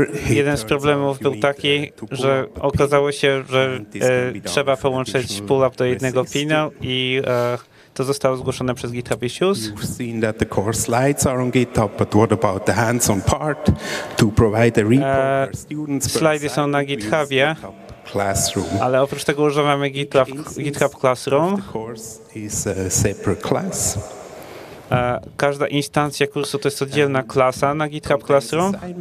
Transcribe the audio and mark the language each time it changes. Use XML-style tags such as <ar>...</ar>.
<pl>Jeden z problemów był taki, że okazało się, że trzeba połączyć pull-up do jednego pina i to zostało zgłoszone przez GitHub issues.</pl> <en>You've seen that the core slides are on GitHub, but what about the hands-on part to provide a report for students?</en> <pl>Slidy są na GitHubie,</pl> <en>classroom.</en> <pl>Ale oprócz tego używamy GitHub Classroom.</pl> <en>The course is a separate class.</en> <pl>Każda instancja kursu to jest oddzielna klasa na GitHub Classroom.</pl>